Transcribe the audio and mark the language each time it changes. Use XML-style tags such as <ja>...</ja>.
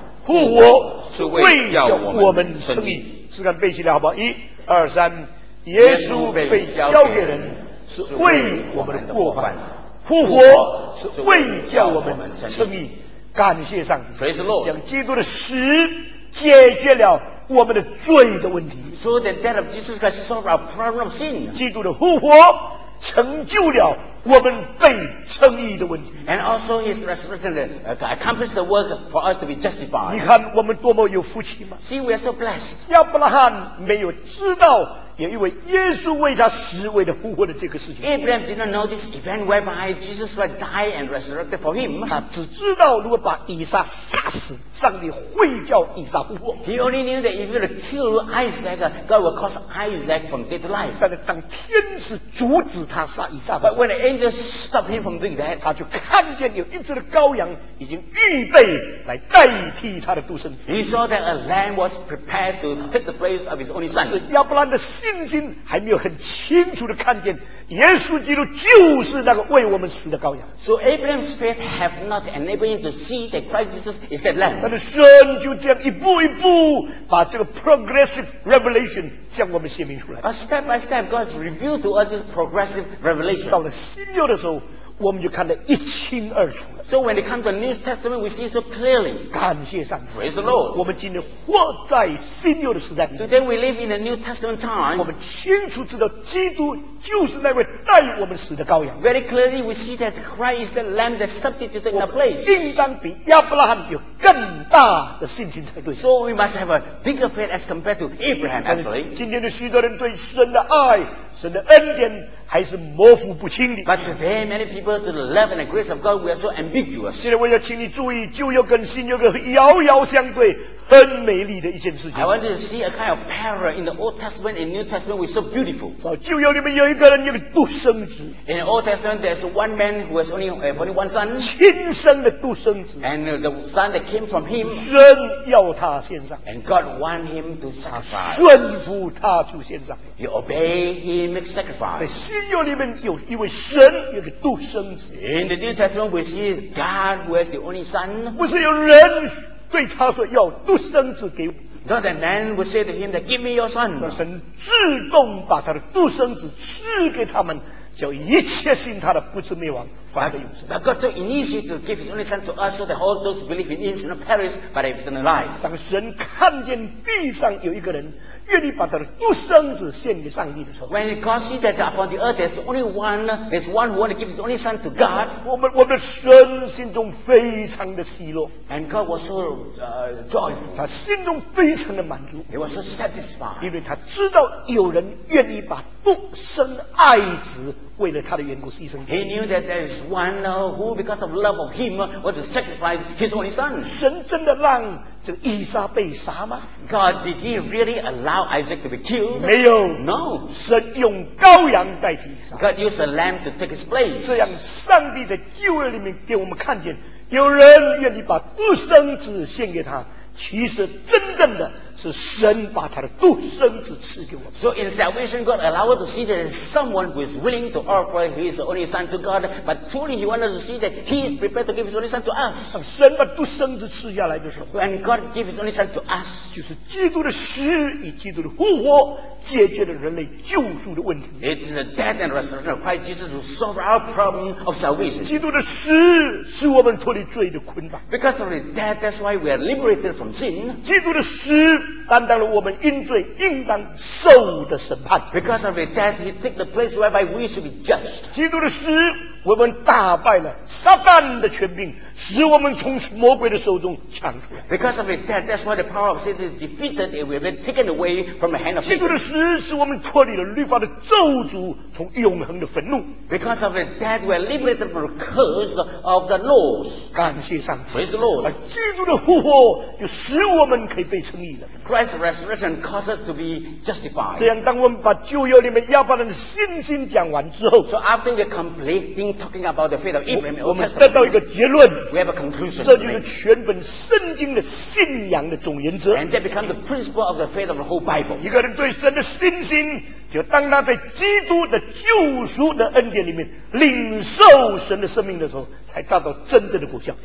<zh>复活是为叫我们称义，试看背起来好不好？一、二、三，耶稣被交给人是为我们的过犯，复活是为叫我们称义。感谢上帝，将基督的死解决了我们的罪的问题。</zh> <en>So the death of Jesus Christ solved our problem of sin.</en> <zh>基督的复活成就了。我们被称义的问题</zh> <en>and also his resurrection accomplished the work for us to be justified</en> <zh>你看我们多么有福气吗</zh> <en>see we are so blessed</en> <zh>亚伯拉罕没有知道也因为耶稣为他死为了复活的这个事情</zh> <en>Abraham did not know this event whereby Jesus would die and resurrected for him</en> <zh>他只知道如果把以撒杀死上帝会叫以撒复活</zh> <en>he only knew that if he would kill Isaac God would cause Isaac from dead to life</en> <zh>但是当天使阻止他杀以撒</zh> <en>but when the angel stopped him from doing that</en> <zh>他就看见有一只的羔羊已经预备来代替他的独生子</zh> <en>he saw that a lamb was prepared to take the place of his only son</en> <zh>是亚伯兰的信心还没有很清楚地看见耶稣基督就是那个为我们死的羔羊</zh> <en>So Abraham's faith have not enabled him to see that Christ Jesus is that lamb</en> <zh>但是神就这样一步一步把这个</zh> <en>progressive revelation</en> <zh>向我们显明出来</zh> <en>A step by step God's revealed to us this progressive revelation</en> <zh>到了新约的时候我们就看得一清二楚了</zh> <en>So when it comes to the New Testament We see so clearly</en> <zh>感谢上帝</zh> <en>Praise the Lord</en> <zh>我们今天活在新约的时代</zh> <en>Today we live in the New Testament time</en> <zh>我们清楚知道基督就是那位带我们死的羔羊</zh> <en>Very clearly we see that Christ is the Lamb that substituted in our place</en> <zh>我们应当比亚伯拉罕有更大的信心才对</zh> <en>So we must have a bigger faith as compared to Abraham actually</en> <zh>今天的许多人对神的爱神的恩典还是模糊不清的</zh> <en>But today many people to the love and the grace of God we are so ambiguous</en> <zh>现在我要请你注意旧约跟新约遥遥相对很美丽的一件事情</zh> <en>I want to see a kind of parallel in the Old Testament and New Testament which is so beautiful</en> <zh>旧约里面有一个人有一个独生子</zh> <en>In the Old Testament there's one man who has only one son</en> <zh>亲生的独生子</zh> <en>And the son that came from him</en> <zh>神要他献上</zh> <en>And God want him to sacrifice</en> <zh>顺服他出献上</zh> <en>You obey him make sacrifice</en> <zh>在新约里面有一位神有一个独生子</zh> <en>In the New Testament we see God who has the only son</en> <zh>不是有人对他说要独生子给我</zh> <en>Not that man would say to him that give me your son</en> <zh>那神自动把他的独生子赐给他们叫一切信他的不至灭亡</zh> <en>But God took initiative to give His only Son to us, so that all those who believe in Him should not perish, but have eternal life.</en> <zh>当神看见地上有一个人愿意把他的独生子献给上帝的时候</zh> <en>，When God sees that upon the earth there's only one, there's one who want to give His only Son to God,</en> <zh>我们的神心中非常的喜乐</zh> <en>，And God was so joyful.</en> <zh>他心中非常的满足</zh> <en>，He was so satisfied.</en> <zh>因为他知道有人愿意把独生爱子为了他的缘故牺牲。</zh> <en>He knew that there's one who, because of love of Him, was to sacrifice His only Son.</en> <zh>神真的让这个以撒被杀吗</zh> <en>？God, did He really allow Isaac to be killed?</en> <zh>没有</zh> <en>，No.</en> <zh>神用羔羊代替以撒。</zh> <en>God used a lamb to take His place.</en> <zh>这样，上帝在救恩里面给我们看见，有人愿意把独生子献给他，其实真正的。是神把他的独生子赐给我们。</zh> <en>So in salvation, God allowed to see that someone who is willing to offer His only Son to God, but truly He wanted to see that He is prepared to give His only Son to us.</en> <zh>神把独生子赐下来的时候</zh> <en>，When God gave His only Son to us,</en> <zh>就是基督的死与基督的复活解决了人类救赎的问题。</zh> <en>It is the death and resurrection of Christ Jesus who solved our problem of salvation.</en> <zh>基督的死使我们脱离罪的捆绑。</zh> <en>Because of the death, that's why we are liberated from sin.</en> <zh>基督的死担当了我们因罪应当受的审判</zh> <en>Because of his death he took the place whereby we should be judged</en> <zh>基督的死我们打败了撒旦的权柄使我们从魔鬼的手中抢出来</zh> <en>Because of his death that's why the power of Satan is defeated and we have been taken away from the hand of Satan</en> <zh>基督的死使我们脱离了律法的咒诅从永恒的愤怒</zh> <en>Because of his death we are liberated from the curse of the laws</en> <zh>感谢上帝</zh> <en>Praise the Lord 而</en> <zh>基督的复活就使我们可以被称义了</zh> <en>Christ's resurrection causes us to be justified</en> <zh>这样当我们把旧约里面亚伯拉罕的信心讲完之后</zh> <en>So after we're completing talking about the faith of Abraham</en> <zh>我们得到一个结论</zh> <en>we have a conclusion</en> <zh>这就是全本圣经的信仰的总原则</zh> <en>and that becomes the principle of the faith of the whole Bible</en> <zh>一个人对神的信心就当他在基督的救赎的恩典里面领受神的生命的时候才达到真正的果效</zh>